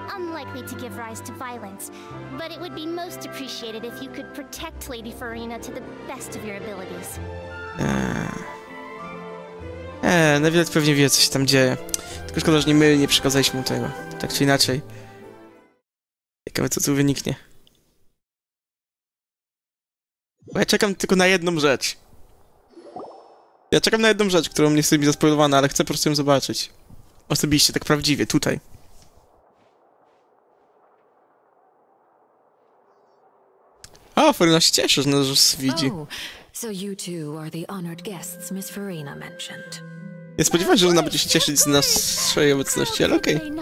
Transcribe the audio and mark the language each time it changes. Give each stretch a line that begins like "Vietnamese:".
English: Unlikely to give rise to violence, but it would be most appreciated if you could protect Lady Farina to the best of your abilities.
Polish: Nawet pewnie wie, co się tam dzieje. Tylko szkoda, że nie przekazaliśmy mu tego. Tak czy inaczej. Ciekawe, co tu wyniknie. Bo ja czekam tylko na jedną rzecz. Ja czekam na jedną rzecz, którą nie jest mi zaspoilowana, ale chcę po prostu ją zobaczyć. Osobiście, tak prawdziwie, tutaj. O, Farina się cieszy, że nas już widzi.
English: So you two are the honored guests Miss Farina mentioned.
Polish: Nie spodziewałem się, że ona będzie się cieszyć z naszej obecności, ale okej.